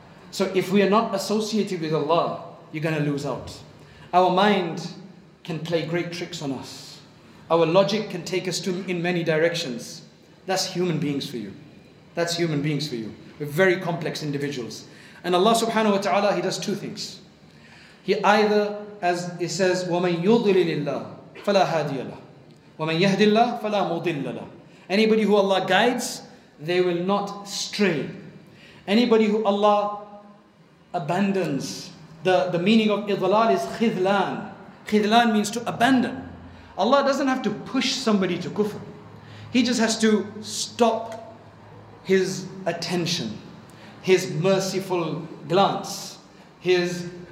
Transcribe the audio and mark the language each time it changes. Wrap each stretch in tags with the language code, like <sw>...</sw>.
<en>So if we are not associated with Allah, you're going to lose out. Our mind can play great tricks on us. Our logic can take us in many directions. That's human beings for you. That's human beings for you. We're very complex individuals. And Allah subhanahu wa ta'ala, He does two things. He either, as it says,</en> <ar>وَمَنْ يُضْلِلِ اللَّهِ فَلَا هَادِيَ لَهِ وَمَنْ يَهْدِ اللَّهِ فَلَا مُضِلَّ لَهِ.</ar> <en>Anybody who Allah guides, they will not stray. Anybody who Allah abandons, the meaning of idlal is khidlan. Khidlan means to abandon. Allah doesn't have to push somebody to kufr. He just has to stop His attention, His merciful glance, His...</en>